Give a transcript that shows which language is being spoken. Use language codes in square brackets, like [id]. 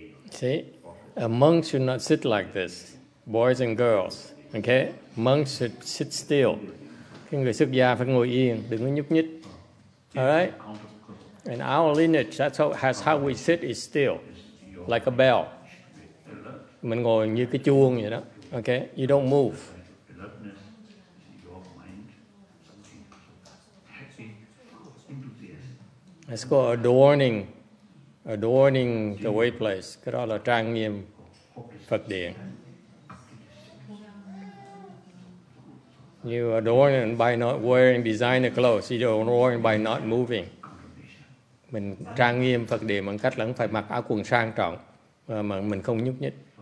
[en] See, a monk should not sit like this, boys and girls. Okay, monks should sit still. [vi] Cái người xuất gia phải ngồi yên, đừng có nhúc nhích. [en] All right. And our lineage, that's how, has how we sit is still, like a bell. [vi] Mình ngồi như cái chuông vậy đó. Okay, [en] you don't move. It's called adorning. Adorning the way place. [vi] Cái đó là trang nghiêm Phật điện. [en] You adorn it by not wearing designer clothes. You adorn by not moving. [vi] Mình trang nghiêm Phật điện bằng cách là không phải mặc áo quần sang trọng mà mình không nhúc nhích.